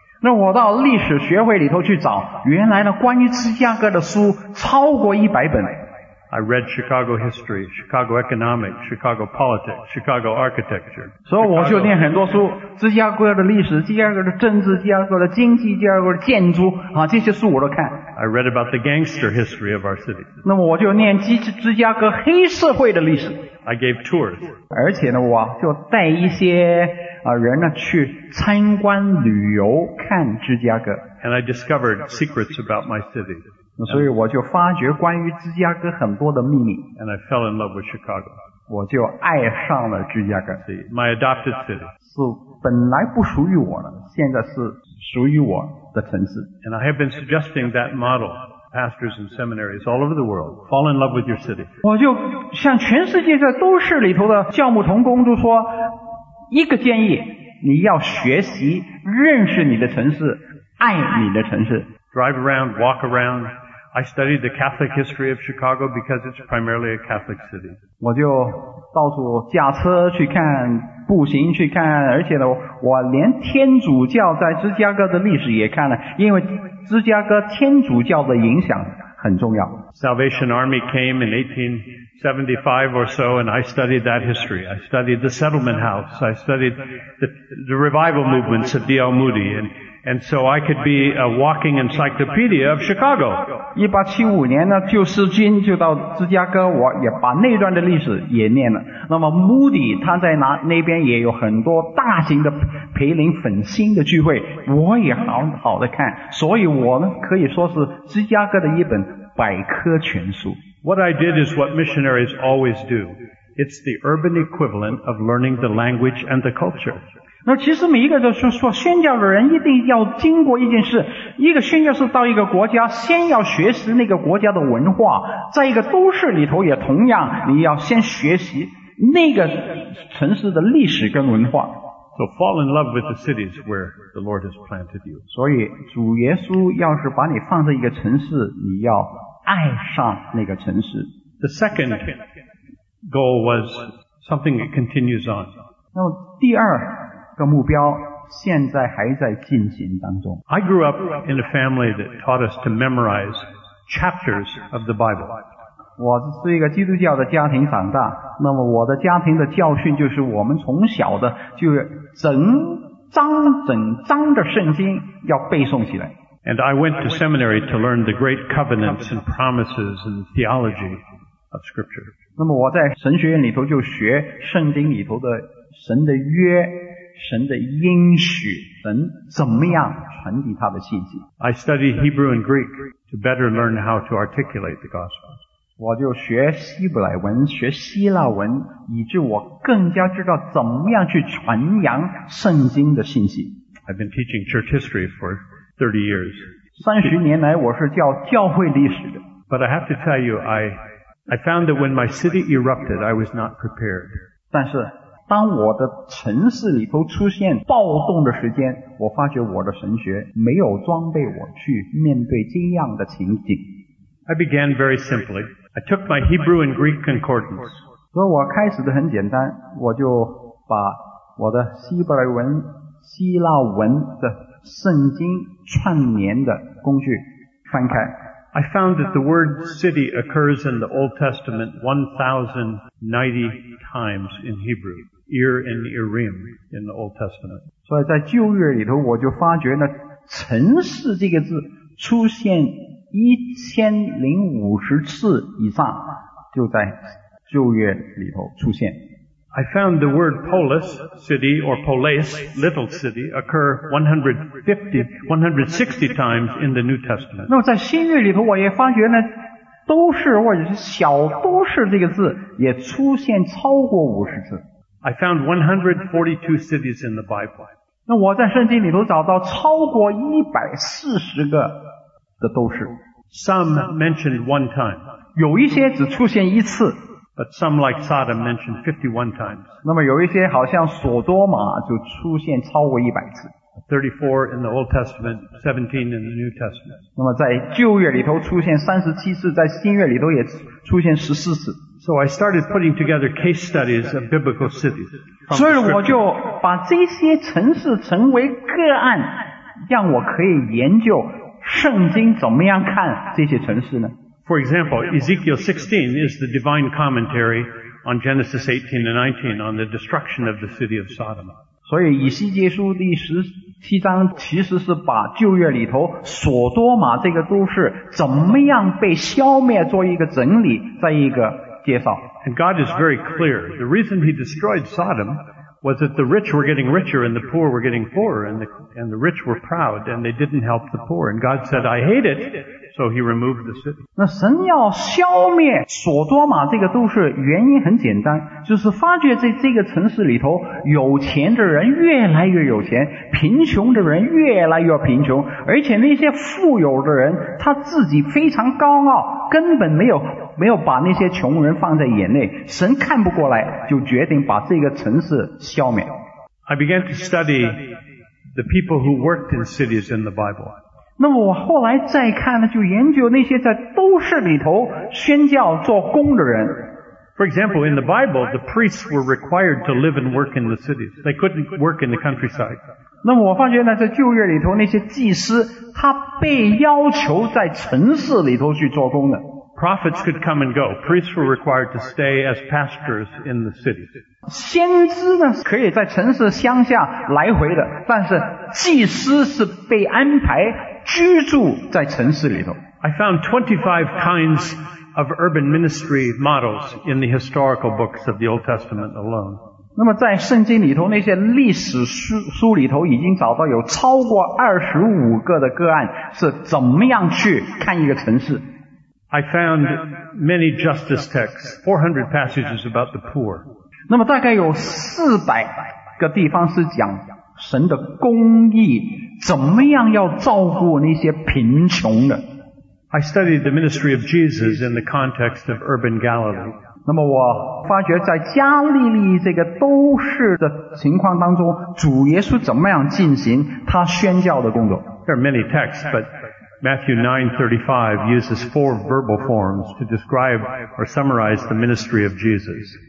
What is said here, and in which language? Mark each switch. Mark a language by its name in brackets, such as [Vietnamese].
[Chinese] 那我到历史学会里头去找，原来呢关于芝加哥的书超过100本。 [English] I read Chicago history, Chicago economics, Chicago politics, Chicago architecture. [Chinese] 所以我就念很多书，芝加哥的历史，芝加哥的政治，芝加哥的经济，芝加哥的建筑，啊，这些书我都看。 [English] I read about the gangster history of our city. [Chinese] 那么我就念芝加哥黑社会的历史。 [English] I gave tours. [Chinese] 而且呢，我就带一些人呢去参观旅游，看芝加哥。 [English] And I discovered secrets about my city. [Chinese] 所以我就发觉关于芝加哥很多的秘密 [English] And I fell in love with Chicago. [Chinese] 我就爱上了芝加哥 [English] See, My adopted city [Chinese] 是本来不属于我的现在是属于我的城市 [English] And I have been suggesting that model pastors and seminaries all over the world fall in love with your city [Chinese] 我就向全世界在都市里头的教牧同工都说一个建议你要学习认识你的城市爱你的城市 [English] Drive around, walk around. I studied the Catholic history of Chicago because it's primarily a Catholic city. [Chinese] 我就到处驾车去看，步行去看，而且呢，我连天主教在芝加哥的历史也看了，因为芝加哥天主教的影响很重要。 [English] Salvation Army came in 1875 or so, and I studied that history. I studied the Settlement House. I studied the revival movements of D.L. Moody and And so I could be a walking encyclopedia of Chicago. [Chinese] 1875年呢，旧世军就到芝加哥，我也把那段的历史也念了。那么 Moody 他在那边也有很多大型的培林粉心的聚会，我也好好的看，所以我呢可以说是芝加哥的一本百科全书。 [English] What I did is what missionaries always do. It's the urban equivalent of learning the language and the culture. [Chinese] 那其实每一个都是说宣教的人一定要经过一件事，一个宣教是到一个国家先要学习那个国家的文化，在一个都市里头也同样，你要先学习那个城市的历史跟文化。 [English] So fall in love with the cities where the Lord has planted you. [Chinese] 所以主耶稣要是把你放在一个城市，你要爱上那个城市。 [English] The second goal was something that continues on. [Chinese] 那么第二个目标现在还在进行当中。 [English] I grew up in a family that taught us to memorize chapters of the Bible. [Chinese] 我是一个基督教的家庭长大，那么我的家庭的教训就是我们从小的就整章整章的圣经要背诵起来。 [English] And I went to seminary to learn the great covenants and promises and theology of Scripture. [Chinese] 那么我在神学院里头就学圣经里头的神的约，神的应许，神怎么样传递他的信息。 [English] I studied Hebrew and Greek to better learn how to articulate the gospel. [Chinese] 我就学希伯来文，学希腊文，以致我更加知道怎么样去传扬圣经的信息。 [English] I've been teaching church history for 30 years. [Chinese] 30年来我是教教会历史的。 [English] But I have to tell you, I found that when my city erupted, I was not prepared. [Chinese] 但是当我的城市里头出现暴动的时间，我发觉我的神学没有装备我去面对这样的情景。 [English] I began very simply. I took my Hebrew and Greek concordance. [Chinese] 所以我开始的很简单，我就把我的希伯来文、希腊文的圣经串联的工具翻开。 [English] I found that the word city occurs in the Old Testament 1,090 times in Hebrew, ear and earim in the Old Testament. [Chinese] 所以在旧约里头，我就发觉呢，城市这个字出现1050次以上，就在旧约里头出现。 [English] I found the word polis, city, or polis, little city, occur 160 times in the New Testament. [Chinese] 那么在新约里头，我也发觉呢，都市或者是小都市这个字也出现超过50次。 [English] I found 142 cities in the Bible. [Chinese] 那我在圣经里头找到超过140个的都市。 [English] Some mentioned one time. [Chinese] 有一些只出现一次。 [English] But some like Sodom mentioned 51 times. [Chinese] 那么有一些好像索多玛就出现超过100次。 [English] 34 in the Old Testament, 17 in the New Testament. [Chinese] 那么在旧约里头出现37次，在新约里头也出现14次。 [English] So I started putting together case studies of biblical cities. [Chinese] 所以我就把这些城市成为个案，让我可以研究圣经怎么样看这些城市呢？ [English] For example, Ezekiel 16 is the divine commentary on Genesis 18 and 19 on the destruction of the city of Sodom. [Chinese] 所以以西结书第17章其实是把旧约里头索多玛这个都市怎么样被消灭做一个整理，在一个介绍。 [English] And God is very clear. The reason he destroyed Sodom was that the rich were getting richer and the poor were getting poorer and the rich were proud and they didn't help the poor. And God said, I hate it. So he removed the city. [Chinese] 那神要消灭索多玛这个都市，原因很简单，就是发觉在这个城市里头，有钱的人越来越有钱，贫穷的人越来越贫穷，而且那些富有的人他自己非常高傲，根本没有把那些穷人放在眼内，神看不过来，就决定把这个城市消灭。 [English] I began to study the people who worked in cities in the Bible. [Chinese] 那么我后来再看呢，就研究那些在都市里头宣教做工的人。 [English] For example, in the Bible, the priests were required to live and work in the cities. They couldn't work in the countryside. [Chinese] 那么我发觉呢，在旧约里头那些祭司，他被要求在城市里头去做工的。 [English] Prophets could come and go. Priests were required to stay as pastors in the city. [Chinese] 先知呢可以在城市乡下来回的，但是祭司是被安排居住在城市里头。 [English] I found 25 kinds of urban ministry models in the historical books of the Old Testament alone. [Chinese] 那么在圣经里头那些历史 书里头已经找到有超过25个的个案是怎么样去看一个城市。 [English] I found many justice texts, 400 passages about the poor. [Chinese] 那么大概有400个地方是讲神的公义怎么样要照顾那些贫穷的。 [English] I studied the ministry of Jesus in the context of urban Galilee. [Chinese] 那么我发觉在加利利这个都市的情况当中主耶稣怎么样进行他宣教的工作。 [English] There are many texts, but Matthew 9:35 uses four verbal forms to describe or summarize the ministry of Jesus.